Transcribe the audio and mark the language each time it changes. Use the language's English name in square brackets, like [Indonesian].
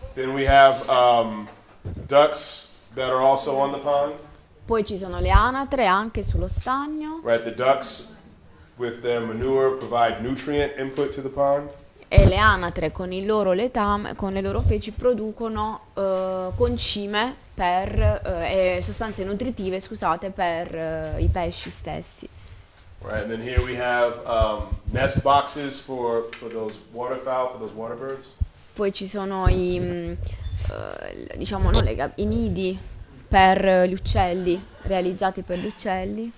[English] Then we have ducks that are also on the pond. [Italian] Poi ci sono le anatre anche sullo stagno. [English] Right, the ducks with their manure provide nutrient input to the pond. [Italian] E le anatre con il loro letame, con le loro feci, producono concime per sostanze nutritive, scusate, per i pesci stessi. [English] Right, and then here we have nest boxes for those waterfowl, for those waterbirds. [Italian] Poi ci sono i i nidi per gli uccelli, realizzati per gli uccelli.